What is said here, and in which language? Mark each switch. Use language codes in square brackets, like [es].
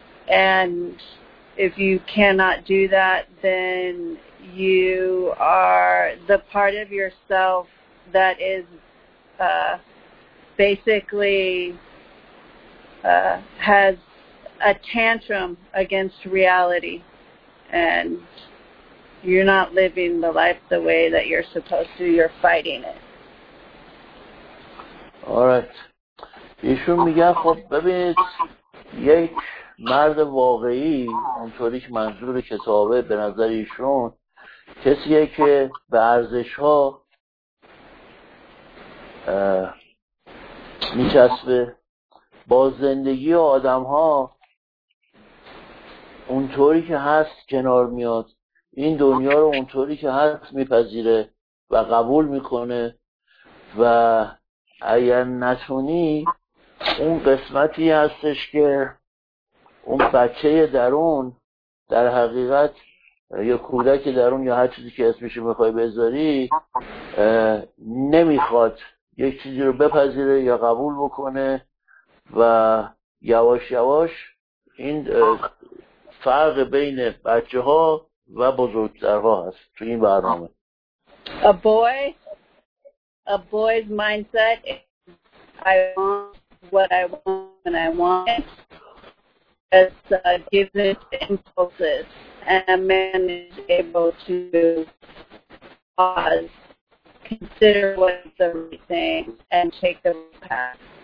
[en] And if you cannot do that, then you are the part of yourself that is basically has a tantrum against reality. And you're not living the life the way that you're supposed to. You're fighting it. All right. [fa] ایشون میگه خب ببینید، یک مرد واقعی اونطوری که منظور کتابه به نظر ایشون، کسیه که به ارزش ها میچسبه، با زندگی آدم ها اونطوری که هست کنار میاد، این دنیا رو اونطوری که هست میپذیره و قبول میکنه، و اگر نتونی اون قسمتی هستش که اون بچه درون در حقیقت یا کودک درون یا هر چیزی که اسمش رو میخوای بذاری نمیخواد یک چیزی رو بپذیره یا قبول بکنه، و یواش یواش این فرق بین بچه ها و بزرگترها هست تو این برنامه. [en] A boy's mindset is I want what I want when I want it. It gives it impulses, and a man is able to pause, consider what's the right thing, and take the path.